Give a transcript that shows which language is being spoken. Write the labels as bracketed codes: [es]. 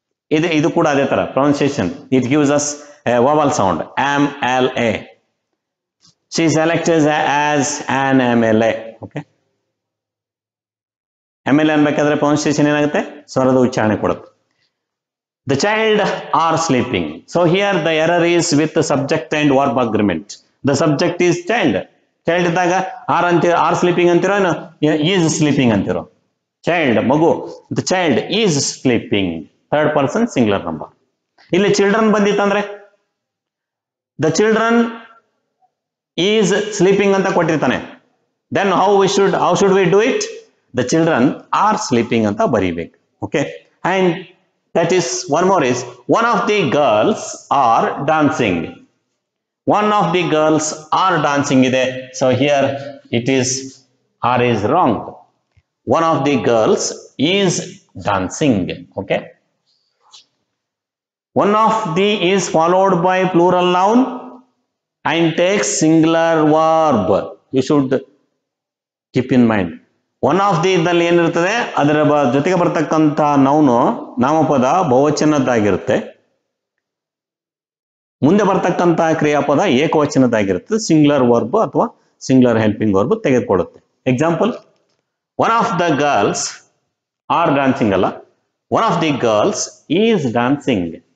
[kn] ಇದು ಇದು ಕೂಡ ಅದೇ ತರ pronunciation, [en] it gives us vowel sound, [kn] am L A. [en] She is elected as an M L A. Okay, M L A [kn] ಅನ್ಬೇಕಾದ್ರೆ pronunciation ಏನಾಗುತ್ತೆ, ಸ್ವರದ ಉಚ್ಚಾರಣೆ ಕೊಡುತ್ತೆ. [en] The child are sleeping. So here the error is with the subject and verb agreement. The subject is child. [kn] Child ಇದ್ದಾಗ R ಅಂತೀರ, R sleeping ಅಂತೀರೋ, ಏನು is sleeping ಅಂತೀರೋ. [en] Child ಮಗು, the child is sleeping, third person singular number. [kn] ಇಲ್ಲಿ children ಬಂದಿತ್ತಂದ್ರೆ [en] the children is sleeping [kn] ಅಂತ ಕೊಟ್ಟಿರ್ತಾನೆ. [en] then how we should, how should we do it, the children are sleeping [kn] ಅಂತ ಬರೀಬೇಕು. [en] Okay, and that is one more is one of the girls are dancing, one of the girls are dancing ide. So here it is r is wrong, one of the girls is dancing. Okay, one of the is followed by plural noun and takes singular verb, you should keep in mind. [kn] One of the ಇದ್ದಲ್ಲಿ ಏನಿರ್ತದೆ, ಅದರ ಜೊತೆಗೆ ಬರ್ತಕ್ಕಂತ noun ನಾಮಪದ ಬಹುವಚನದ್ದಾಗಿರುತ್ತೆ, ಮುಂದೆ ಬರ್ತಕ್ಕಂತ ಕ್ರಿಯಾಪದ ಏಕವಚನದ್ದಾಗಿರುತ್ತೆ, singular verb ಅಥವಾ singular helping verb ತೆಗೆದುಕೊಳ್ಳುತ್ತೆ. [en] Example, one of the girls are dancing ಅಲ್ಲ, one of the girls is dancing.